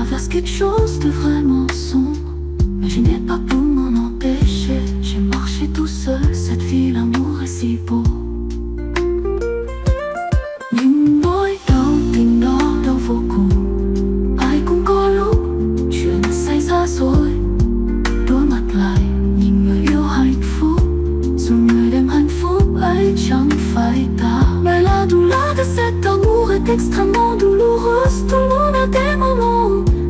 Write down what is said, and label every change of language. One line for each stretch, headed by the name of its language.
French: Quelque chose de vraiment sombre, mais je n'ai pas pu m'en empêcher. J'ai marché tout seul, cette vie, l'amour est si beau.
Vietnamese: Những nỗi đau tình đó đau vô cùng. Ai cũng có lúc chuyện xảy ra rồi. Đôi mặt lại nhìn người yêu hạnh phúc. Dù người đem hạnh phúc ấy chẳng phải ta.
French: Mais la douleur de cet amour est extrêmement douloureuse. Tout le monde a des moments.